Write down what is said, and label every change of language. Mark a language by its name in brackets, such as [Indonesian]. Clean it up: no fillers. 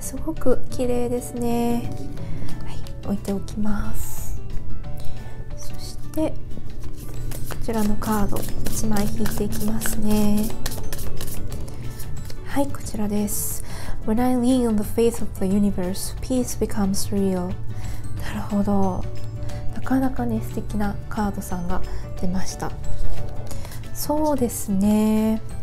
[Japanese] すごく綺麗ですね。はい、置いておきます。そしてこちらのカード1枚引いていきますね。はい、こちらです。 [English] When I lean on the faith of the universe, peace becomes real. [Japanese] なるほど。なかなかね、素敵なカードさんが出ました。そうですね。